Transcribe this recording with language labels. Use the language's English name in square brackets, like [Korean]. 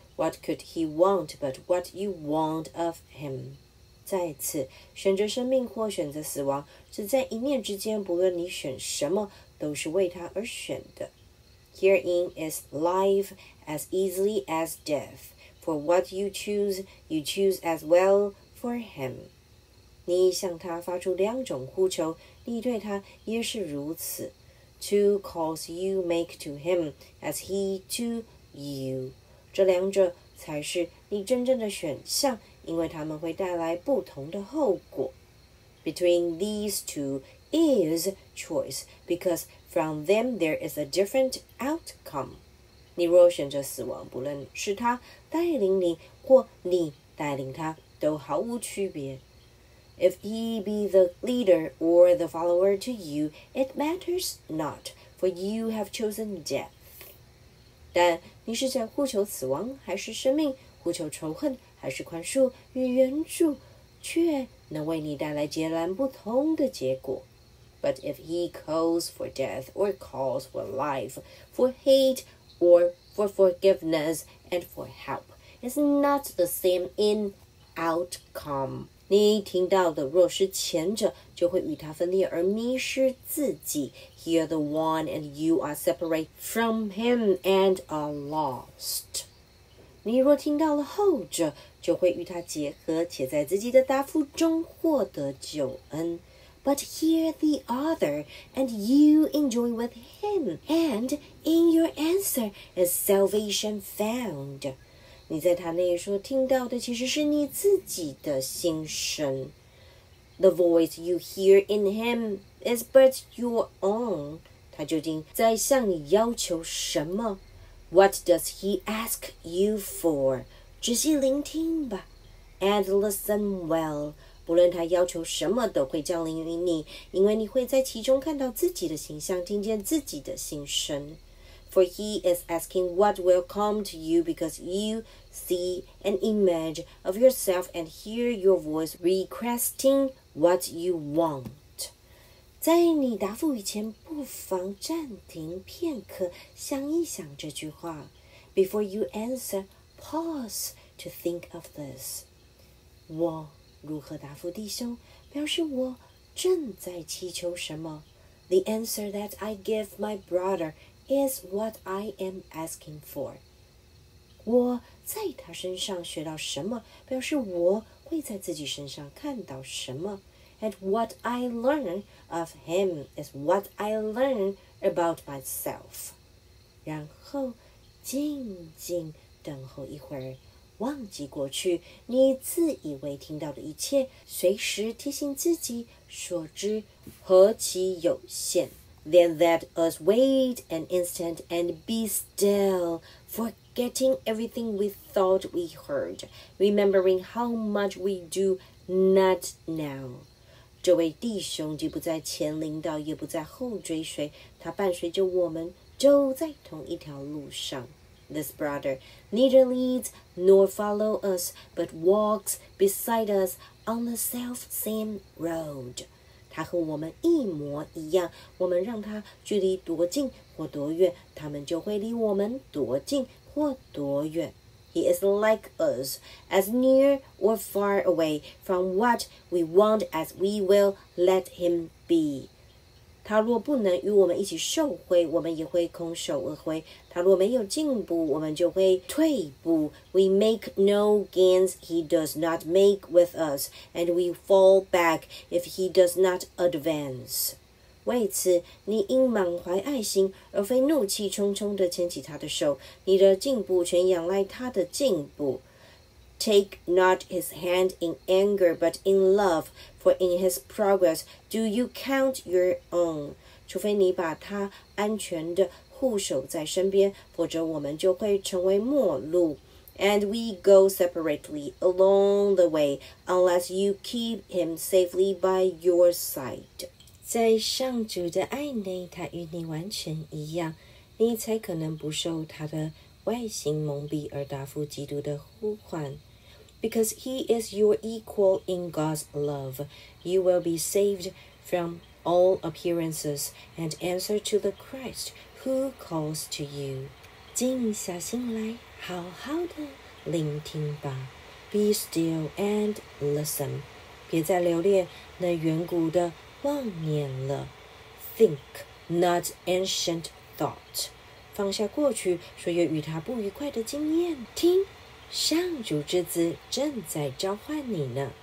[English] What could he want but what you want of him? [Chinese] 再次，选择生命或选择死亡，只在一念之间，不论你选什么，都是为他而选的。 [English] Herein is life as easily as death. For what you choose as well for him. [Chinese] 你向他发出两种呼求，你对他也是如此。 [English] Two calls you make to him as he to you. [Chinese] 这两者才是你真正的选项，因为他们会带来不同的后果。 [English] Between these two is choice, because from them there is a different outcome. [Chinese] 你若选择死亡，不论是他带领你或你带领他，都毫无区别。 [English] If he be the leader or the follower to you, it matters not, for you have chosen death. [Chinese] 但你是在呼求死亡还是生命，呼求仇恨还是宽恕与援助，却能为你带来截然不同的结果。 [English] But if he calls for death or calls for life, for hate or for forgiveness and for help, it's not the same in outcome. [Chinese] 你听到的若是前者，就会与他分裂而迷失自己。 [English] Hear the one and you are separate from him and are lost. [Chinese] 你若听到了后者，就会与他结合，且在自己的答复中获得救恩。 [English] But hear the other and you enjoy with him, and in your answer is salvation found. [Chinese] 你在他那里说听到的其实是你自己的心声。 [English] The voice you hear in him is but your own. [Chinese] 他究竟在向你要求什么？ [English] What does he ask you for? [Chinese] 仔细聆听吧。 [English] And listen well. [Chinese] 不论他要求什么都会降临于你，因为你会在其中看到自己的形象，听见自己的心声。 [English] For he is asking what will come to you because you see an image of yourself and hear your voice requesting what you want. [Chinese] 在你答复以前，不妨暂停片刻，想一想这句话。 [English] Before you answer, pause to think of this. [Chinese] 我如何答复弟兄，表示我正在祈求什么。 [English] The answer that I give my brother. Is what I am asking for. [Chinese] 我在他身上学到什么，表示我会在自己身上看到什么。 [English] And what I learn of him is what I learn about myself. [Chinese] 然后静静等候一会儿，忘记过去你自以为听到的一切，随时提醒自己所知何其有限。 [English] Then let us wait an instant and be still, forgetting everything we thought we heard, remembering how much we do not know. [Chinese] 这位弟兄既不在前领导，也不在后追随，他伴随着我们，走在同一条路上。 [English] This brother neither leads nor follows us, but walks beside us on the self-same road. [Chinese] 他和我们一模一样，我们让他距离多近或多远，他们就会离我们多近或多远。 [English] He is like us, as near or far away from what we want as we will let him be. [Chinese] 他若不能与我们一起受惠，我们也会空手而回。他若没有进步，我们就会退步。 [English] We make no gains he does not make with us, and we fall back if he does not advance. [Chinese] 为此，你应满怀爱心，而非怒气冲冲地牵起他的手。你的进步全仰赖他的进步。 [English] Take not his hand in anger, but in love, for in his progress do you count your own. [Chinese] 除非你把他安全地护守在身边，否则我们就会成为陌路。 [English] And we go separately along the way, unless you keep him safely by your side. [Chinese] 在上主的爱内，他与你完全一样，你才可能不受他的外形蒙蔽而答复基督的呼唤。 [English] Because he is your equal in God's love, you will be saved from all appearances and answer to the Christ who calls to you. [Chinese] 静下心来，好好的聆听吧。 [English] Be still and listen. [Chinese] 别再留恋那远古的妄念了。 [English] Think not ancient thought. [Chinese] 放下过去所有与他不愉快的经验，听，上主之子正在召唤你呢。